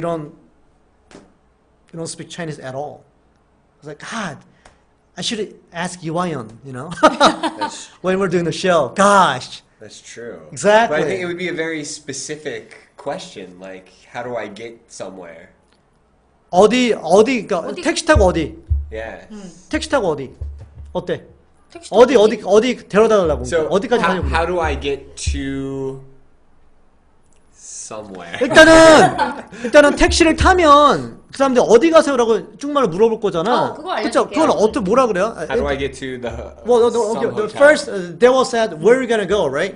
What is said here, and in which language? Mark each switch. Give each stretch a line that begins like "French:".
English: You don't speak Chinese at all. I was like, God. I should ask Yuan, you know, when we're doing the show. Gosh. That's true. Exactly. But I think it would be a very specific question, like, how do I get somewhere?
Korean: 어디, 그러니까, 택시 타고 어디?
English: Yeah.
Korean: 택시 타고 어디? 어때? 어디 데려다 달라고.
English: So,
Korean: 어디까지 가냐고.
English: How do I get to somewhere?
Korean: 일단은 택시를 타면, 그 사람들 어디 가세요라고 쭉 말을 물어볼 거잖아. 그쵸? 그건 어떻게 뭐라 그래요?
English: How do I get to the Well, no, okay. The first they will said where you gonna go, right?